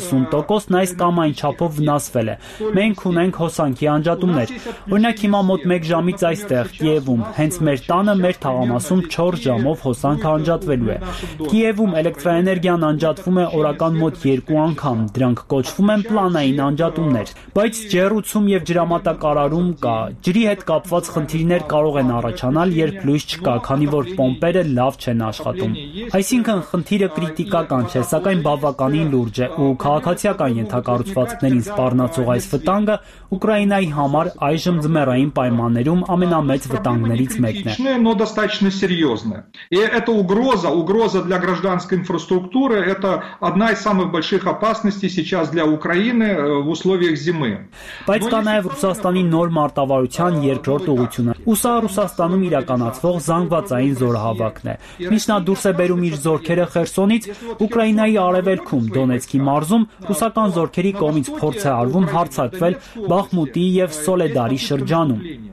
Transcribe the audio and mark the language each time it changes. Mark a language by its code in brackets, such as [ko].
[hy] 30% այս կամ այն չափով վնասվել է։ Մենք ունենք հոսանքի անջատումներ։ Օրինակ հիմա մոտ 1 ժամից այստեղ Կիևում, հենց մեր տանը, մեր թաղամասում 4 ժամով հոսանքը անջատվելու է։ Կիևում էլեկտրաէներգիան անջատվում է օրական մոտ 2 անգամ, դրանք կոչվում են պլանային անջատումներ, բայց ջերուցում եւ ջրամատակ առարում կա։ Ջրի հետ կապված խնդիրներ կարող են առաջանալ, երբ լույս չկա, քանի որ պոմպերը լավ չեն աշխատում։ Այսինքն, խնդիրը կրիտիկական չէ, սակայն բավականին լուրջ է, ու քաղաքացիական ենթակառուցվածքներին սպառնացող այս վտանգը Ուկրաինայի համար այժմ ձմեռային պայմաններում ամենամեծ վտանգներից մեկն է։ [ru] Но достаточно серьёзно. И это угроза для гражданской инфраструктуры, это одна из самых больших опасностей сейчас для Украины в условиях зимы. [hy] Բայց կա նաև Ռուսաստանի նոր մարտավարության երկրորդ ուղությունը։ Ուսա Ռուսաստանում իրականացվող զանգվածային զորահավաքն է։ Միշտ դուրս է բերում իր զորքերը Խերսոնից, Ուկրաինայի արևելքում, Դոնեցկի մարզում ռուսական զորքերի կողմից փորձ է արվում հարձակվել Բախմուտի եւ Սոլեդարի շրջանում։